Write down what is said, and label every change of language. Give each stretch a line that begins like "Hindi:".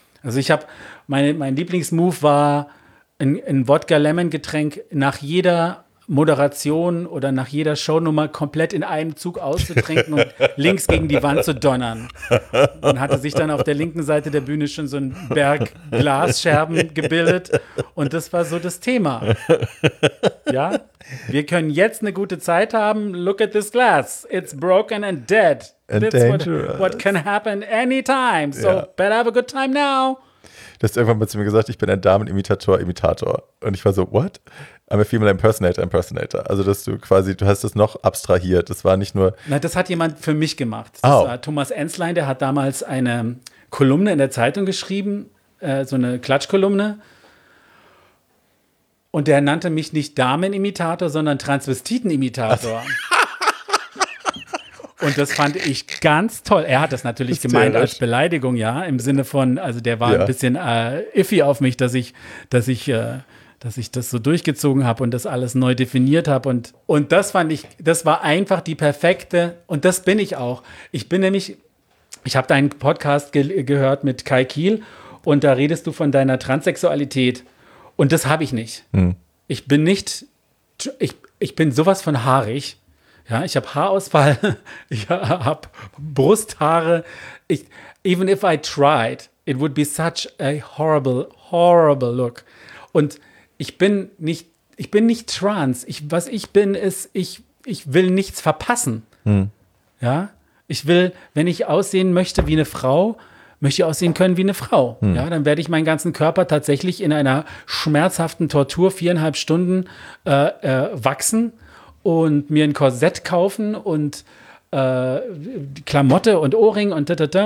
German: Also ich habe, mein Lieblingsmove war ein Wodka-Lemon-Getränk nach jeder Moderation oder nach jeder Shownummer komplett in einem Zug auszutrinken und links gegen die Wand zu donnern. Man hatte sich dann auf der linken Seite der Bühne schon so ein Berg Glasscherben gebildet und das war so das Thema. Ja, wir können jetzt eine gute Zeit haben.
English: Look at this glass. It's broken and dead. And this dangerous. What can happen anytime. So yeah. Better have a good time now.
German: Du hast irgendwann mal zu mir gesagt, ich bin ein Damenimitator, Imitator. Und ich war so, what?
English: I'm a female impersonator.
German: Also, dass du quasi, du hast das noch abstrahiert. Das war nicht nur. Na, das hat jemand für mich gemacht. Das war Thomas Enzlein, der hat damals eine Kolumne in der Zeitung geschrieben, so eine Klatschkolumne. Und der nannte mich nicht Damenimitator, sondern Transvestitenimitator. Und das fand ich ganz toll. Er hat das natürlich gemeint als Beleidigung, ja, im Sinne von, also der war ein bisschen iffy auf mich, dass ich das so durchgezogen habe und das alles neu definiert habe. Und das fand ich, das war einfach die perfekte, und das bin ich auch. Ich bin nämlich Ich habe deinen Podcast gehört mit Kai Kiel und da redest du von deiner Transsexualität und das habe ich nicht. Hm. Ich bin nicht, ich bin sowas von haarig. Ja, ich habe Haarausfall, ich habe Brusthaare.
English: Ich, even if I tried, it would be such a horrible, horrible look.
German: Und ich bin nicht trans. Was ich bin, ist, ich will nichts verpassen. Hm. Ja, ich will, wenn ich aussehen möchte wie eine Frau, möchte ich aussehen können wie eine Frau. Hm. Ja, dann werde ich meinen ganzen Körper tatsächlich in einer schmerzhaften Tortur 4,5 Stunden wachsen und mir ein Korsett kaufen und Klamotte und Ohrring und tatata.